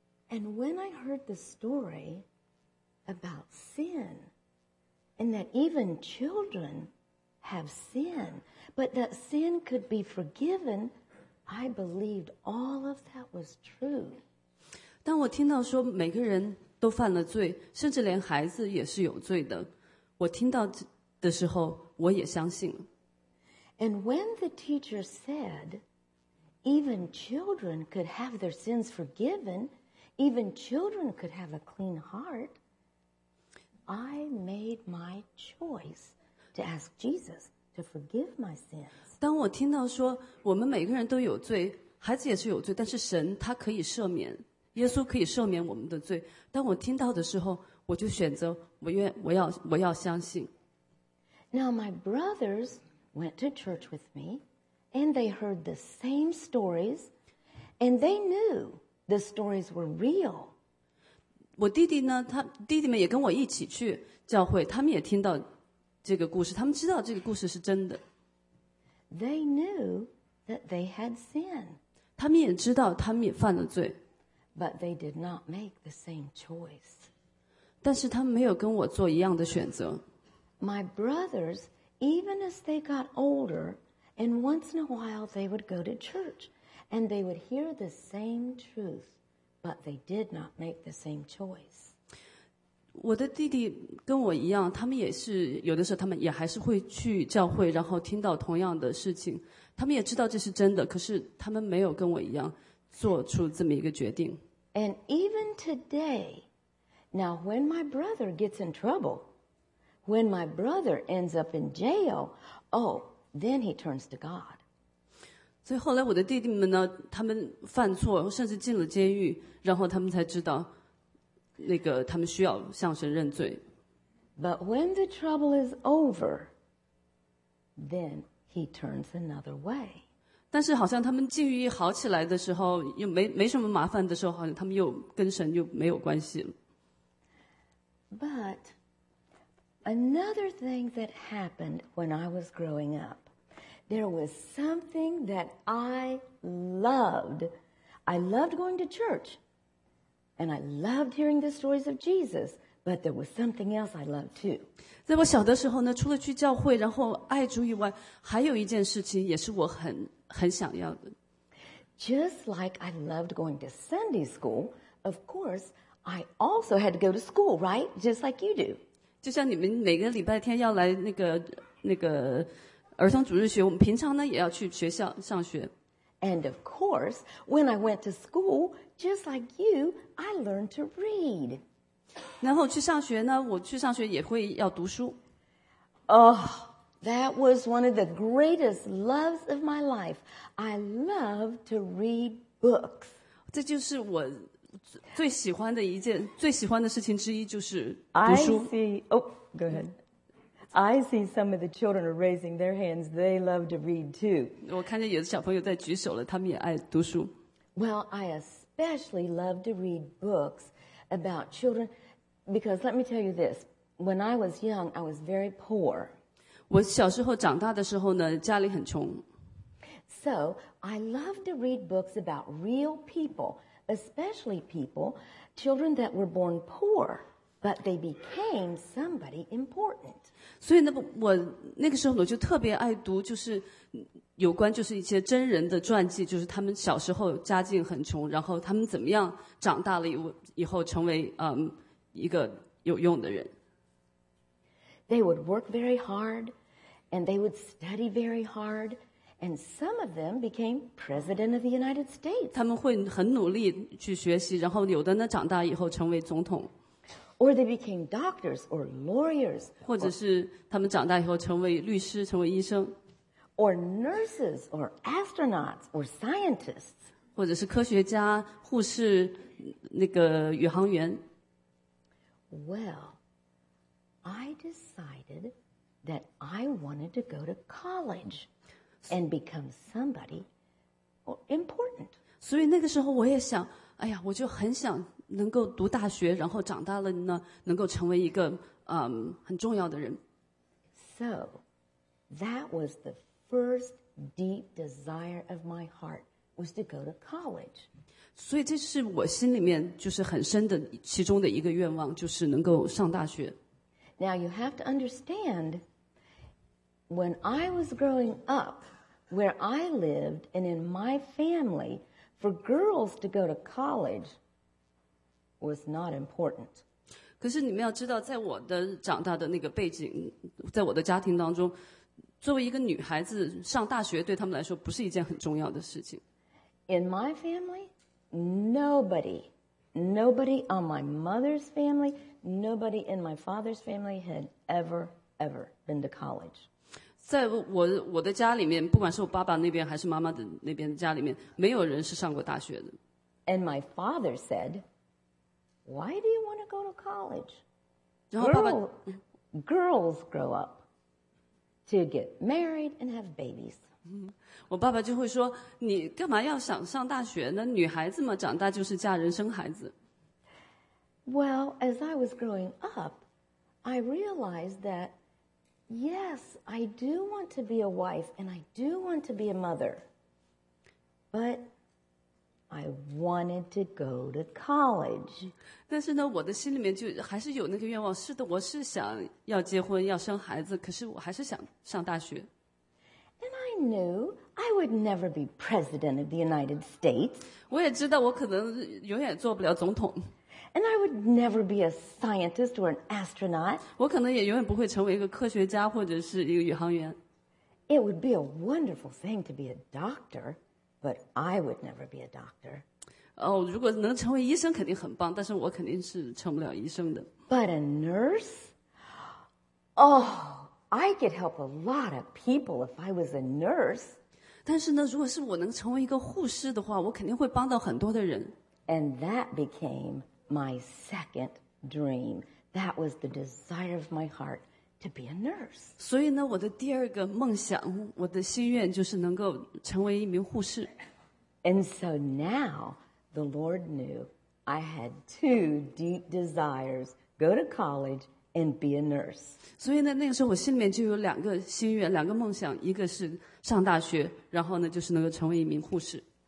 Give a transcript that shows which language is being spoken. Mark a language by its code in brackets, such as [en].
[en] And when I heard the story about sin,And that even children have sin, but that sin could be forgiven, I believed all of that was true. [zh] 当我听到说每个人都犯了罪，甚至连孩子也是有罪的，我听到的时候，我也相信了。 [en] And when the teacher said, even children could have their sins forgiven, even children could have a clean heart,I made my choice to ask Jesus to forgive my sins. [zh] 当我听到说我们每个人都有罪，孩子也是有罪，但是神他可以赦免，耶稣可以赦免我们的罪。当我听到的时候，我就选择我要相信。 [en] Now my brothers went to church with me, and they heard the same stories, and they knew the stories were real. [zh] 我弟弟呢，他弟弟们也跟我一起去教会，他们也听到这个故事，他们知道这个故事是真的。 [en] They knew that they had sin. [zh] 他们也知道他们也犯了罪。 [en] But they did not make the same choice. [zh] 但是他们没有跟我做一样的选择。 [en] My brothers, even as they got older, and once in a while they would go to church, and they would hear the same truth. But they did not make the same choice. [zh] 我的弟弟跟我一样，他们也是有的时候，他们也还是会去教会，然后听到同样的事情。他们也知道这是真的，可是他们没有跟我一样做出这么一个决定。 [en] And even today, Now, when my brother gets in trouble, when my brother ends up in jail, oh, then he turns to God. [zh] 所以后来我的弟弟们呢，他们犯错，甚至进了监狱，然后他们才知道，那个他们需要向神认罪。 [en] But when the trouble is over, then he turns another way. [zh] 但是好像他们境遇好起来的时候，又没什么麻烦的时候，好像他们又跟神又没有关系了。 [en] But another thing that happened when I was growing up, there was something that I loved. I loved going to church, and I loved hearing the stories of Jesus, but there was something else I loved too. [zh] 在我小的时候呢，除了去教会，然后爱主以外，还有一件事情也是我很想要的。 [en] Just like I loved going to Sunday school, of course,I also had to go to school, right? Just like you do. [zh] 就像你们每个礼拜天要来那个儿童主日学，我们平常呢也要去学校上学。 [en] And of course, when I went to school, just like you, I learned to read. [zh] 然后去上学呢，我去上学也会要读书。 [en] Oh, that was one of the greatest loves of my life. I love to read books. [zh] 这就是我。最喜欢的一件最喜欢的事情之一就是读书。 [en] I see, oh, go ahead. I see some of the children are raising their hands. They love to read too. [zh] 我看见有的小朋友在举手了，他们也爱读书。 [en] Well, I especially love to read books about children because let me tell you this. When I was young, I was very poor. [zh] 我小时候长大的时候呢，家里很穷。 [en] So I love to read books about real people. Especially people, children that were born poor, but they became somebody important. [zh] 所以我那个时候我就特别爱读，就是有关就是一些真人的传记，就是他们小时候家境很穷，然后他们怎么样长大了以后成为一个有用的人。 [en] They would work very hard, and they would study very hard. And some of them became president of the United States. [zh] 他们会很努力去学习，然后有的呢长大以后成为总统。 [en] Or they became doctors or lawyers. [zh] 或者是他们长大以后成为律师，成为医生。 [en] Or nurses or astronauts or scientists. [zh] 或者是科学家、护士、那个宇航员。 [en] Well, I decided that I wanted to go to college. And become somebody important. [zh] 所以那个时候我也想，哎呀，我就很想能够读大学，然后长大了呢，能够成为一个很重要的人。 [en] So that was the first deep desire of my heart was to go to college. [zh] 所以这是我心里面就是很深的其中的一个愿望，就是能够上大学。 [en] Now you have to understand when I was growing up. Where I lived and in my family, for girls to go to college was not important. [zh] 可是你们要知道，在我的长大的那个背景，在我的家庭当中，作为一个女孩子上大学对他们来说不是一件很重要的事情。 [en] In my family, nobody on my mother's family, nobody in my father's family had ever been to college. [zh] 在我的家里面，不管是我爸爸那边还是妈妈的那边的家里面，没有人是上过大学的。 [en] And my father said, "Why do you want to go to college?" [zh] 然后爸爸 [en] girls grow up to get married and have babies. [zh] 我爸爸就会说，你干嘛要想上大学呢？女孩子嘛，长大就是嫁人生孩子。 [en] Well, as I was growing up, I realized that. Yes, I do want to be a wife, and I do want to be a mother. But I wanted to go to college. [zh] 但是呢，我的心里面就还是有那个愿望。是的，我是想要结婚，要生孩子，可是我还是想上大学。 [en] And I knew I would never be president of the United States. [zh] 我也知道我可能永远做不了总统。 [en] And I would never be a scientist or an astronaut. [zh] 我可能也永远不会成为一个科学家或者是一个宇航员。 [en] It would be a wonderful thing to be a doctor, but I would never be a doctor. [zh] 哦，如果能成为医生肯定很棒，但是我肯定是成不了医生的。 [en] But a nurse? Oh, I could help a lot of people if I was a nurse. [zh] 但是呢，如果是我能成为一个护士的话，我肯定会帮到很多的人。 [en] And that became my second dream. That was the desire of my heart to be a nurse. [zh] 所以呢，我的第二个梦想，我的心愿就是能够成为一名护士。 [en] And so now. The Lord knew I had two deep desires, go to college and be a nurse. [zh] 所以呢，那个时候我心里面就有两个心愿，两个梦想，一个是上大学，然后呢，就是能够成为一名护士。